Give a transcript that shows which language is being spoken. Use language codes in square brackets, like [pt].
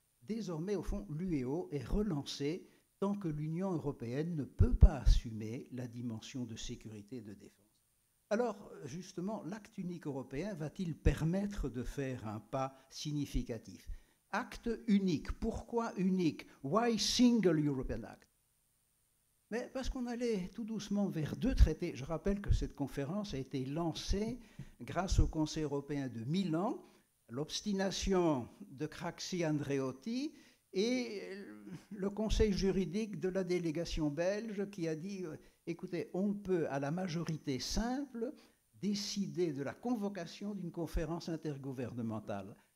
[fr] Désormais, au fond, l'UEO est relancée tant que l'Union européenne ne peut pas assumer la dimension de sécurité et de défense. Alors, justement, l'acte unique européen va-t-il permettre de faire un pas significatif ? Acte unique. Pourquoi unique ? [en] Why single European Act ? [fr] Mais parce qu'on allait tout doucement vers deux traités. Je rappelle que cette conférence a été lancée grâce au Conseil européen de Milan, l'obstination de Craxi-Andreotti et le conseil juridique de la délégation belge qui a dit, écoutez, on peut à la majorité simple décider de la convocation d'une conférence intergouvernementale.